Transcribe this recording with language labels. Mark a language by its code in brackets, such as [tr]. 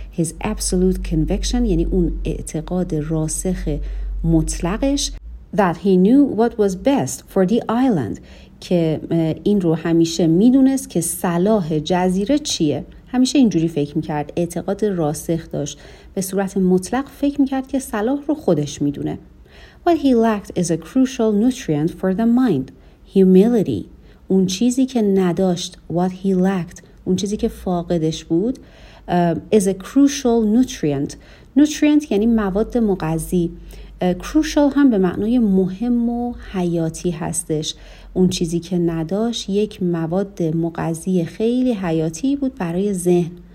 [en] His absolute conviction [fa] یعنی اون اعتقاد راسخ مطلقش. [en] That he knew what was best for the island [fa] که این رو همیشه میدونست که صلاح جزیره چیه. همیشه اینجوری فکر میکرد، اعتقاد راسخ داشت، به صورت مطلق فکر میکرد که صلاح رو خودش میدونه. [en] What he lacked is a crucial nutrient for the mind. Humility. [fa] اون چیزی که نداشت، [en] what he lacked، [fa] اون چیزی که فاقدش بود، [en] is a crucial nutrient. [fa] Nutrient یعنی مواد مغذی. Crucial هم به معنای مهم و حیاتی هستش. اون چیزی که نداشت یک مواد مغذی خیلی حیاتی بود برای ذهن.